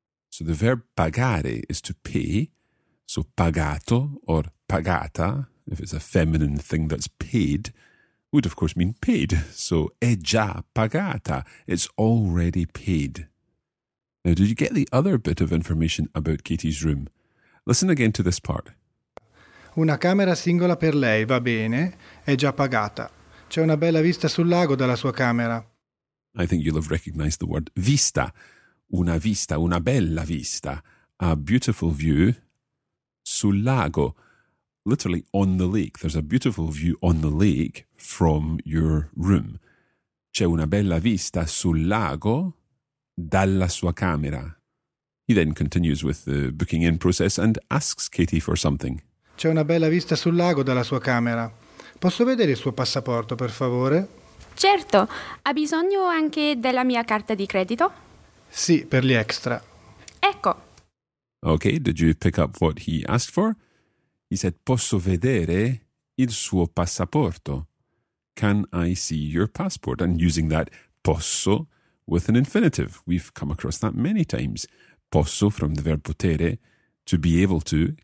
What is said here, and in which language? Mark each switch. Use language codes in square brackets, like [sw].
[en] So the verb pagare is to pay, so pagato or pagata, if it's a feminine thing that's paid, would of course mean paid. So [it] è già pagata, [en] it's already paid. Now, did you get the other bit of information about Katie's room? Listen again to this part. [it] Una camera singola per lei, va bene, è già pagata. C'è una bella vista sul lago dalla sua camera. [en] I think you'll have recognized the word vista. [it] Una vista, una bella vista. [en] A beautiful view [it] sul lago. [en] literally on the lake. There's a beautiful view on the lake from your room. [it] C'è una bella vista sul lago dalla sua camera. [en] He then continues with the booking in process and asks Katie for something. [it] C'è una bella vista sul lago dalla sua camera. Posso vedere il suo passaporto, per favore? Certo, ha bisogno anche della mia carta di credito? Sì, per gli extra. Ecco. [en] Okay, did you pick up what he asked for? He said, [it] posso vedere il suo passaporto? [en] Can I see your passport? And using that posso with an infinitive. We've come across that many times. Posso from the verb potere, to be able to.